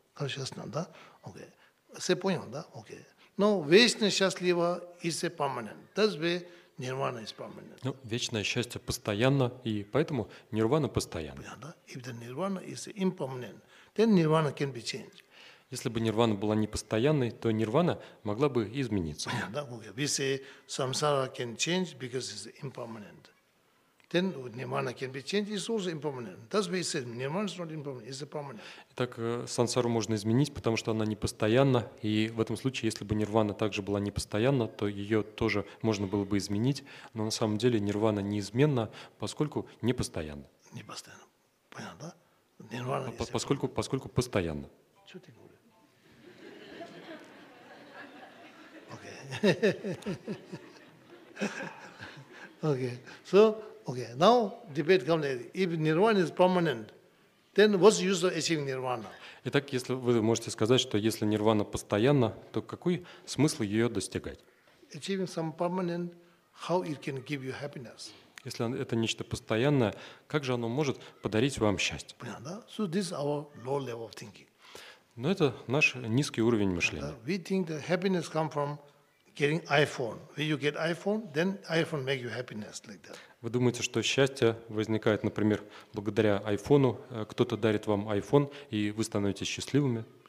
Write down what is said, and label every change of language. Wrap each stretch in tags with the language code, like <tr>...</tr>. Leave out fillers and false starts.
<ru>Конечно, да? Окей. Okay. Все понял, да? Окей. Okay. Но вечно счастливо и все permanent.</ru> <en>That's why nirvana is permanent.</en> <ru>Ну, вечное счастье постоянно, и поэтому нирвана постоянно. Понятно, да?</ru> <en>If the nirvana is impermanent, then nirvana can be changed.</en> <ru>Если бы нирвана была непостоянной, то нирвана могла бы измениться. Понятно, да? Окей.</ru> <en>Okay. We say samsara can change because it's impermanent. Then nirvana can be changed. It's also impermanent. That's why it says nirvana is not impermanent. It's a permanent.</en> <ru>Итак, сансару можно изменить, потому что она непостоянна. И в этом случае, если бы нирвана также была непостоянна, то ее тоже можно было бы изменить. Но на самом деле нирвана неизменна, поскольку непостоянна. Непостоянна. Понятно, да? Нирвана. Поскольку постоянна. Что ты говоришь? Окей.</ru> <en>Окей. So. Okay, now debate comes. If nirvana is permanent, then what's the use of achieving nirvana?</en> <ru>Итак, если вы можете сказать, что если нирвана постоянна, то какой смысл ее достигать?</ru> <en>Achieving some permanent, how it can give you happiness?</en> <ru>Если это нечто постоянное, как же оно может подарить вам счастье? Понятно, да?</ru> <en>So this is our low level of thinking.</en> <ru>Но это наш низкий уровень мышления.</ru> <en>We think that happiness comes from getting iPhone. When you get iPhone, then iPhone make you happiness like that.</en> <ru>Вы думаете, что счастье возникает, например, благодаря айфону? Кто-то дарит вам айфон, и вы становитесь счастливыми?</ru>